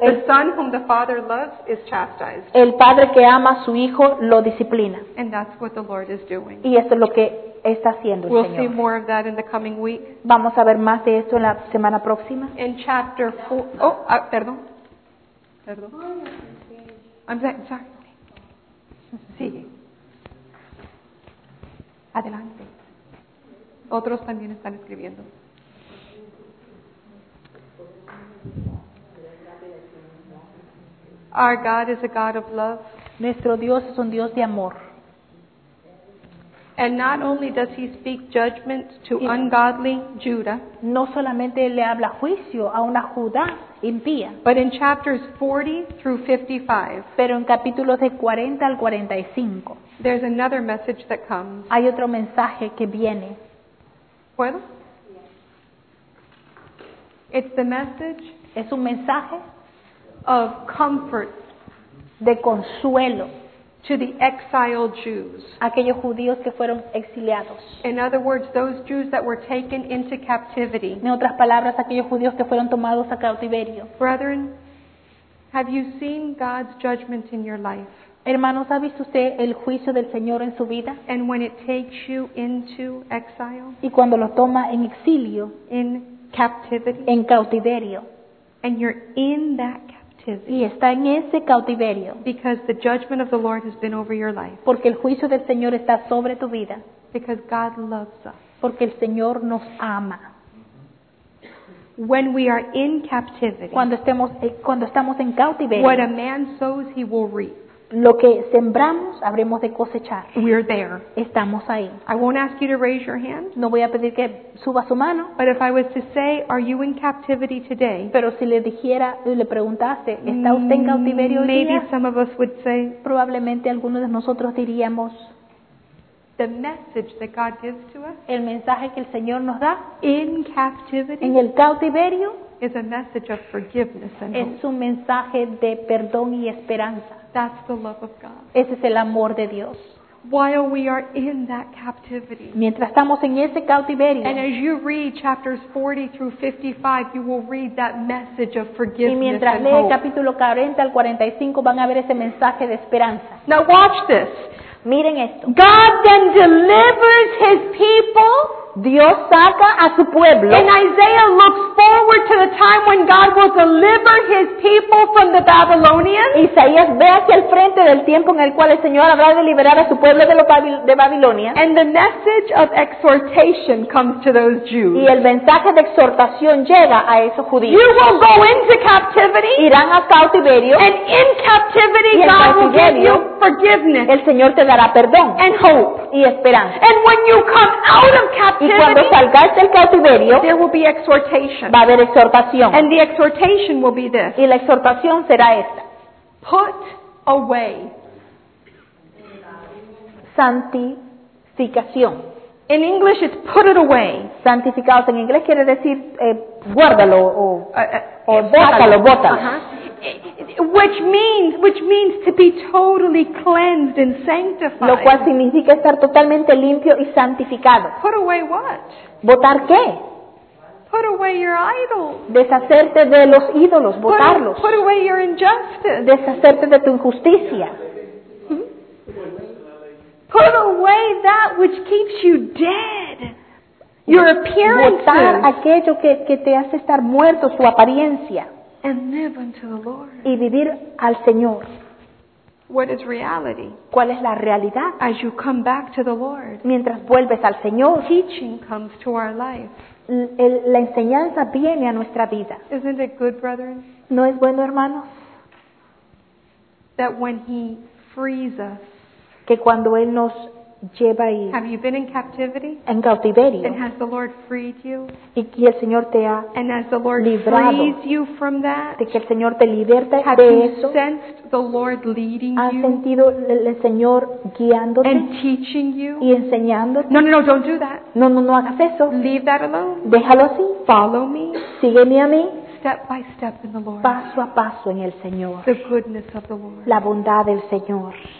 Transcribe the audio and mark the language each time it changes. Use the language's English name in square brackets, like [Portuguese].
[English] the son whom the father loves is chastised. [Spanish] El padre que ama a su hijo lo disciplina. [English] And that's what the Lord is doing. [Spanish] Y eso es lo que está haciendo el [English] we'll [Spanish] Señor. [English] We'll see more of that in the coming week. [Spanish] Vamos a ver más de esto en la semana próxima. [English] In chapter 4. [Spanish] Perdón. [English] I'm sorry. [Spanish] Sigue. Adelante. Otros también están escribiendo. [English] Our God is a God of love. [Spanish] Nuestro Dios es un Dios de amor. [English] And not only does he speak judgment to ungodly Judah, [Spanish] no solamente le habla juicio a una Judá impía, [English] but in chapters 40 through 55, [Spanish] pero en capítulos de 40 al 45, [English] there's another message that comes. [Spanish] Hay otro mensaje que viene. ¿Puedo? [English] It's the message. [Spanish] Es un mensaje [English] of comfort [Spanish] de consuelo [English] to the exiled Jews. [Spanish] Aquellos judíos que fueron exiliados. [English] In other words, those Jews that were taken into captivity. [Spanish] En otras palabras, aquellos judíos que fueron tomados a cautiverio. [English] Brethren, have you seen God's judgment in your life? [Spanish] Hermanos, ¿ha visto usted el juicio del Señor en su vida? [English] And when it takes you into exile? [Spanish] Y cuando lo toma en exilio. [English] In captivity. [Spanish] En cautiverio. [English] And you're in that captivity. [Spanish] Y está en ese cautiverio. [English] Because the judgment of the Lord has been over your life. [Spanish] Porque el juicio del Señor está sobre tu vida. [English] Because God loves us. [Spanish] Porque el Señor nos ama. [English] When we are in captivity. [Spanish] Cuando estamos en cautiverio. [English] What a man sows, he will reap. [Spanish] Lo que sembramos, habremos de cosechar. [English] We're there. [Spanish] Estamos ahí. [English] I won't ask you to raise your hand. [Spanish] No voy a pedir que suba su mano. [English] But if I was to say, are you in captivity today? [Spanish] Pero si le dijera, le preguntase, ¿está usted en cautiverio hoy día? [English] Maybe some of us would say, [Spanish] probablemente algunos de nosotros diríamos, [English] the message that God gives to us, [Spanish] el mensaje que el Señor nos da, [English] in captivity, [Spanish] en el cautiverio, [English] is a message of forgiveness and hope. [Spanish] Es un mensaje de perdón y esperanza. [English] That's the love of God. [Spanish] Ese es el amor de Dios. [English] While we are in that captivity. [Spanish] Mientras estamos en ese cautiverio. [English] And as you read chapters 40 through 55, you will read that message of forgiveness. [Spanish] Y mientras lee el capítulo 40 al 45, van a ver ese mensaje de esperanza. [English] Now watch this. [Spanish] Miren esto. [English] God then delivers his people. [Spanish] Dios saca a su pueblo. [English] And Isaiah looks forward to the time when God will deliver his people from the Babylonians. [Spanish] Isaías ve hacia el frente del tiempo en el cual el Señor habrá de liberar a su pueblo de Babilonia. [English] And the message of exhortation comes to those Jews. [Spanish] Y el mensaje de exhortación llega a esos judíos. [English] You will go into captivity. [Spanish] Irán a cautiverio. [English] And in captivity God will give you forgiveness. [Spanish] El Señor te dará perdón. [English] And hope. [Spanish] Y esperanza. [English] And when you come out of captivity. [Spanish] Y cuando salgas del cautiverio, [English] there will be exhortation. [Spanish] Va a haber exhortación. [English] And the exhortation will be this. [Spanish] Y la exhortación será esta. [English] Put away. [Spanish] Santificación. [English] In English it's put it away. [Spanish] Santificados en inglés quiere decir guárdalo o bótalo, bótalo. Uh-huh. [English] Which means to be totally cleansed and sanctified. [Spanish] Lo cual significa estar totalmente limpio y santificado. [English] Put away what? [Spanish] ¿Botar qué? [English] Put away your idols. [Spanish] Deshacerte de los ídolos, botarlos. [English] Put away your injustice. [Spanish] Deshacerte de tu injusticia. [English] Put away that which keeps you dead. Your appearances. [Spanish] Botar aquello que te hace estar muerto, su apariencia. [English] And live unto the Lord. [Spanish] Y vivir al Señor. [English] What is reality? [Spanish] ¿Cuál es la realidad? [English] As you come back to the Lord. [Spanish] Mientras vuelves al Señor. [English] Teaching comes to our life. [Spanish] La enseñanza viene a nuestra vida. [English] Isn't it good, brethren? [Spanish] ¿No es bueno, hermanos? [English] That when He frees us. [Spanish] Que cuando Él nos lleva ahí. [English] Have you been in captivity? [Spanish] En cautiverio. [English] And has the Lord freed you? [Spanish] Y el Señor te ha librado. [English] And as the Lord frees you from that? [Spanish] De que el Señor te liberta de eso. [English] Have you sensed the Lord leading you? [Spanish] ¿Has sentido el Señor guiándote? [English] And teaching you? [Spanish] Y enseñándote. [English] No, don't do that. [Spanish] No, hagas eso. [English] Leave that alone. [Spanish] Déjalo así. [English] Follow me. [Spanish] Sígueme a mí. [English] Step by step in the Lord. [Spanish] Paso a paso en el Señor. [English] The goodness of the Lord. [Spanish] La bondad del Señor.